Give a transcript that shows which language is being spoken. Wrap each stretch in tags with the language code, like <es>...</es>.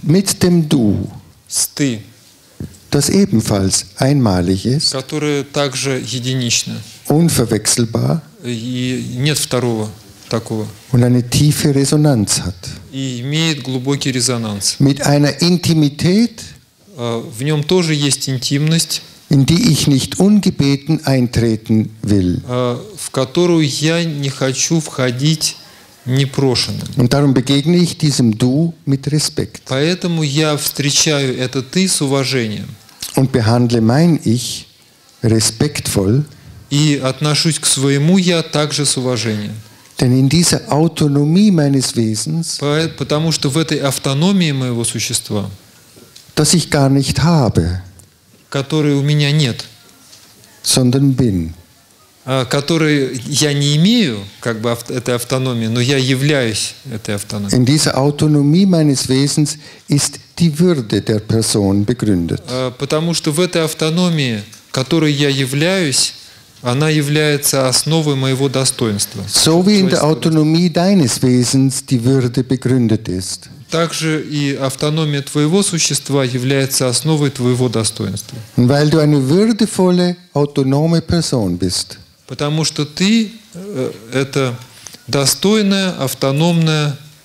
<de>Mit dem Du.</de> <ru>С ты,</ru> <de>das ebenfalls einmalig ist,</de> <ru>которое также единично,</ru> <de>unverwechselbar,</de> <ru>и нет второго такого,</ru> <de>und eine tiefe Resonanz hat,</de> <ru>и имеет глубокий резонанс,</ru> <de>mit einer Intimität,</de> <ru>в нем тоже есть интимность,</ru> <de>in die ich nicht ungebeten eintreten will,</de> <ru>в которую я не хочу входить непрошенным.</ru> <de>Und darum begegne ich diesem du mit Respekt.</de> <ru>Поэтому я встречаю это ты с уважением.</ru> <de>Und behandle mein ich respektvoll.</de> <ru>И отношусь к своему я также с уважением.</ru> <de>Denn in dieser Autonomie meines Wesens,</de> <ru>потому что в этой автономии моего существа,</ru> <de>das ich gar nicht habe,</de> <ru>которой у меня нет,</ru> <de>sondern bin.</de> <ru>Который я не имею как бы этой автономии, но я являюсь этой автономией.</ru> <de>In dieser Autonomie meines Wesens ist die Würde der Person begründet.</de> <ru>Потому что в этой автономии, которой я являюсь, она является основой моего достоинства.</ru> <de>So wie in der Autonomie deines Wesens die Würde begründet ist.</de> <ru>Также и автономия твоего существа является основой твоего достоинства.</ru> <de>Weil du eine würdevolle, autonome Person bist.</de> <ru>Потому что ты это достойная, автономная</ru>